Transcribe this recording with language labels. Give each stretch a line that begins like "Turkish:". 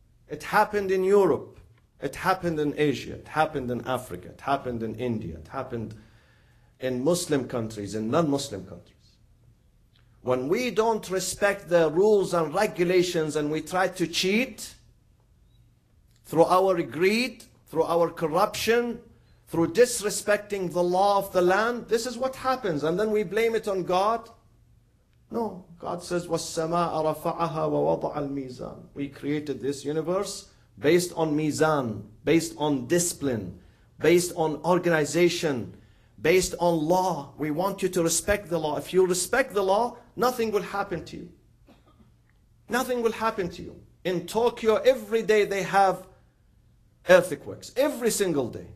English: It happened in Europe. It happened in Asia, it happened in Africa, it happened in India, it happened in Muslim countries, in non-Muslim countries. When we don't respect the rules and regulations and we try to cheat through our greed, through our corruption, through disrespecting the law of the land, this is what happens. And then we blame it on God. No, God says,
Arabic: وَالسَّمَاءَ رَفَعَهَا وَوَضَعَ الْمِيزَانَ.
English: We created this universe based on mizan, based on discipline, based on organization, based on law. We want you to respect the law. If you respect the law, nothing will happen to you. Nothing will happen to you. In Tokyo, every day they have earthquakes. Every single day.